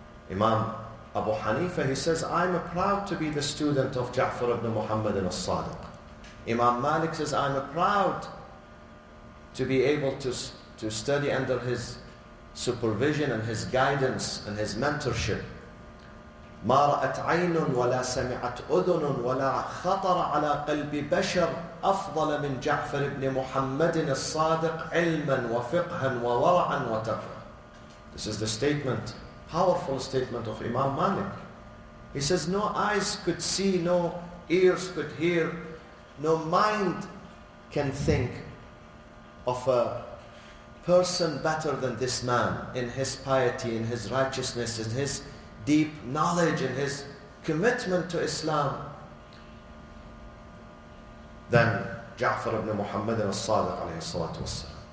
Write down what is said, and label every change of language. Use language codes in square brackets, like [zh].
[en] Imam Abu Hanifa, he says, I'm proud to be the student of Ja'far ibn Muhammad al-Sadiq. Imam Malik says, I'm proud to be able to study under his supervision and his guidance and his mentorship. [ar] ما رأت عين ولا سمعت أذن ولا خطر على قلب بشر أفضل من جعفر بن محمد الصادق علما وفقها وورعا وتقوى. [en] This is the statement, powerful statement of Imam Malik. He says, no eyes could see, no ears could hear, no mind can think of a person better than this man in his piety, in his righteousness, in his deep knowledge, in his commitment to Islam than Ja'far ibn Muhammad al-Sadiq alayhi salatu wasalam.